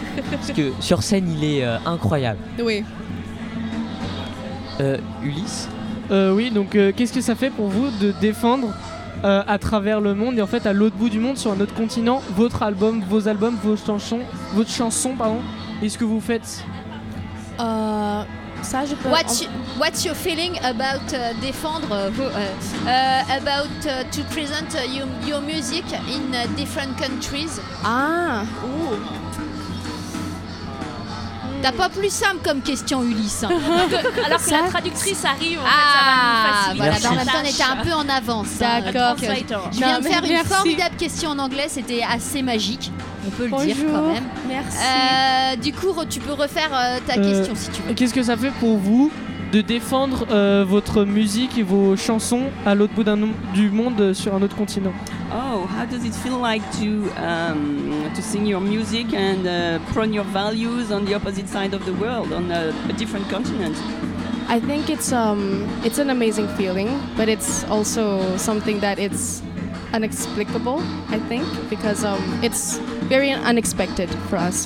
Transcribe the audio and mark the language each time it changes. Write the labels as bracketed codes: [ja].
[fr] Parce que sur scène, il est incroyable. Oui. Ulysse? Oui, donc qu'est-ce que ça fait pour vous de défendre à travers le monde et en fait à l'autre bout du monde, sur un autre continent, votre album, vos albums, votre chanson, pardon? Et ce que vous faites Ça, je peux... [en] What's your feeling about défendre about to present your music in different countries? Ah, ouh. [fr] T'as pas plus simple comme question, Ulysse, hein. Alors que ça, la traductrice arrive, en fait, ça va nous faciliter. Voilà, en même temps, on était un peu en avance. D'accord. Hein, je viens de faire une formidable question en anglais, c'était assez magique, on peut le Bonjour. Dire quand même. Merci. Du coup, tu peux refaire ta question si tu veux. Qu'est-ce que ça fait pour vous de défendre votre musique et vos chansons à l'autre bout du monde, sur un autre continent? [en] Oh, how does it feel like to sing your music and promote your values on the opposite side of the world, on a different continent? I think it's an amazing feeling, but it's also something that it's inexplicable, I think, because it's very unexpected for us.